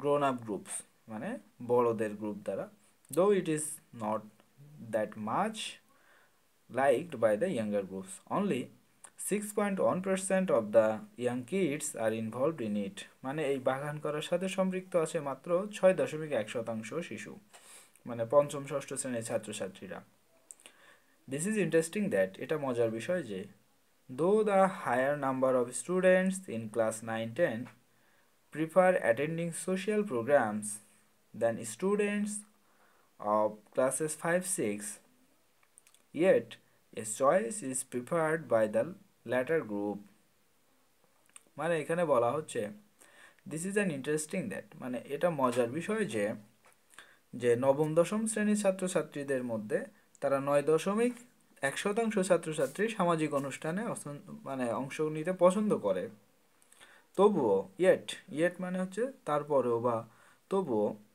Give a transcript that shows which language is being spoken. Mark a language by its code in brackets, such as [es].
[en] up groups, [bn] মানে বড়দের group দ্বারা, [en] Though it is not that much liked by the younger groups, only 6.1% of the young kids are involved in it. [bn] মানে এই বাগান করার সাথে সম্পৃক্ত আছে মাত্র 6.1% শিশু, মানে পঞ্চম ষষ্ঠ শ্রেণীর ছাত্রছাত্রীরা। [en] This is interesting that [bn] এটা মজার বিষয় যে [en] though the higher number of students in class 9-10 prefer attending social programs than students of classes 5-6, yet a choice is preferred by the latter group. [bn] মানে এখানে বলা হচ্ছে [en] this is an interesting that, [bn] মানে এটা মজার বিষয় যে যে নবম দশম শ্রেণীর ছাত্রছাত্রীদের মধ্যে তারা 9.1% ছাত্রছাত্রী সামাজিক অনুষ্ঠানে মানে অংশ নিতে পছন্দ করে, তবুও ইয়েট ইয়েট মানে হচ্ছে তারপরেও বা তবুও,